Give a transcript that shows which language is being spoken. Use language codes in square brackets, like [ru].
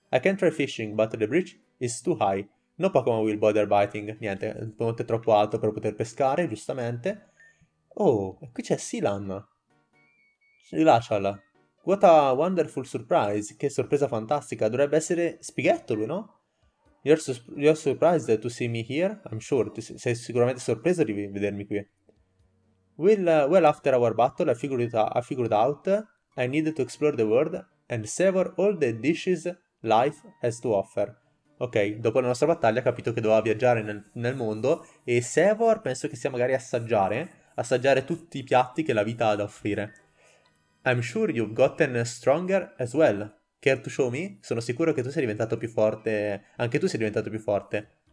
[en] I can try fishing, but the bridge is too high. No Pokémon will bother biting. [it] Niente, il ponte è troppo alto per poter pescare, giustamente. Oh, e qui c'è Sealan. Glacial. [en] What a wonderful surprise. [it] Che sorpresa fantastica. Dovrebbe essere Spighetto lui, no? [en] You're surprised to see me here, I'm sure. [it] Sei sicuramente sorpreso di vedermi qui. [en] Well, after our battle, I figured out I needed to explore the world and savor all the dishes life has to offer. [it] Ok, dopo la nostra battaglia ho capito che doveva viaggiare nel mondo e savor penso che sia magari assaggiare tutti i piatti che la vita ha da offrire. [en] I'm sure you've gotten stronger as well. Care to show me? [it] Sono sicuro che tu sei diventato più forte. Anche tu sei diventato più forte.